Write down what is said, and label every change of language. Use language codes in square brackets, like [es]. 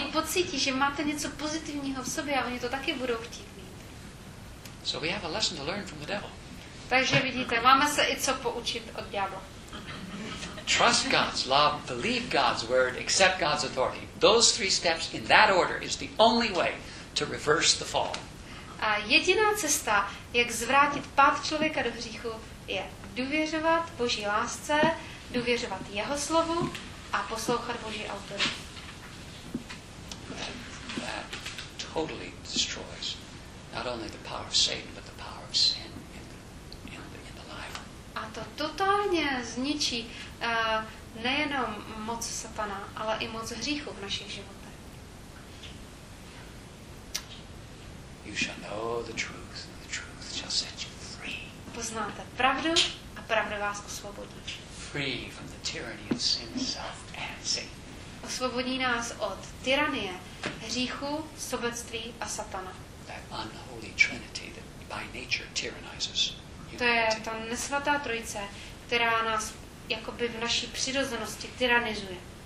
[cs] pocítí, že máte něco pozitivního v sobě a oni to taky budou chtít mít. [en] So we have a lesson to learn from the devil. [cs] Takže vidíte, máme se i co poučit od ďábla. [en] Trust God's love, believe God's word, accept God's authority. Those three steps in that order is the only way to reverse the fall. [cs] A jediná cesta, jak zvrátit pád člověka do hříchu, je důvěřovat Boží lásce, důvěřovat jeho slovu a poslouchat Boží autoritu. [en] That totally destroys not only the power of Satan, but the power of sin in the life. [cs] A to totálně zničí nejenom moc Satana, ale i moc hříchu v našich životech. [en] You shall know the truth, and the truth shall set you free. [cs] Poznáte pravdu a pravda vás osvobodí. [en] Free from the tyranny of sin, self, and Satan. [cs] Osvobodí nás od tyranie, hříchu, sobectví a Satana. [en] That unholy trinity that by nature tyrannizes. [cs] To je ta nesvatá trojice, která nás jakoby v naší přirozenosti tyranizuje.